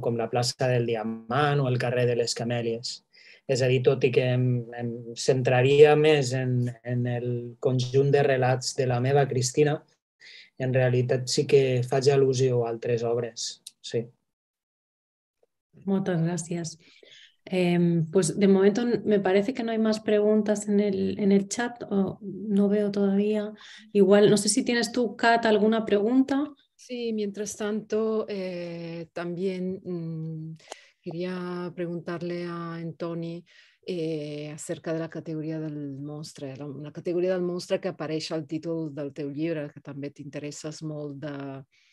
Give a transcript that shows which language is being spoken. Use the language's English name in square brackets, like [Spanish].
[Catalan] Com la plaça del Diamant o el carrer de les Camèlies. És a dir, tot i que em centraria més en el conjunt de relats de la meva Cristina, en realitat sí que faig al·lusió a altres obres. Sí. Moltes gràcies. [Spanish] Pues de momento me parece que no hay más preguntas en el chat, o no veo todavía. Igual, no sé si tienes tú, Kat, alguna pregunta. Sí, mientras tanto, también quería preguntarle a Antoni acerca de la categoria del monstre, [Catalan] una categoria del monstre que apareix al títol del teu llibre, que també t'interesses molt de